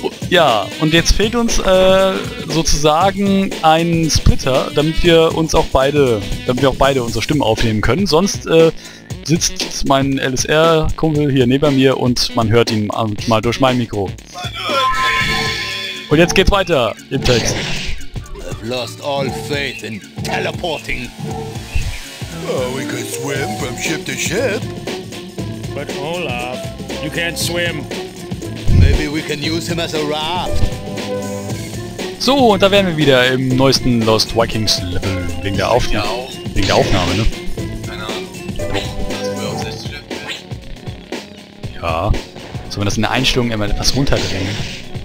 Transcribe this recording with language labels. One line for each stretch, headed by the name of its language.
German: Ja, und jetzt fehlt uns sozusagen ein Splitter, damit wir auch beide unsere Stimmen aufnehmen können. Sonst sitzt mein LSR-Kumpel hier neben mir und man hört ihn mal durch mein Mikro. Und jetzt geht's weiter im Text.
English: I've lost all faith in teleporting. Oh, we could swim from ship to ship. But Olaf, you can't swim. Maybe we can use him as a raft.
German: So, und da wären wir wieder im neuesten Lost Vikings Level. Wegen der Aufnahme. Wegen der Aufnahme, ne? Keine Ahnung. Ja. Sollen wir das in der Einstellung immer etwas runterdrehen?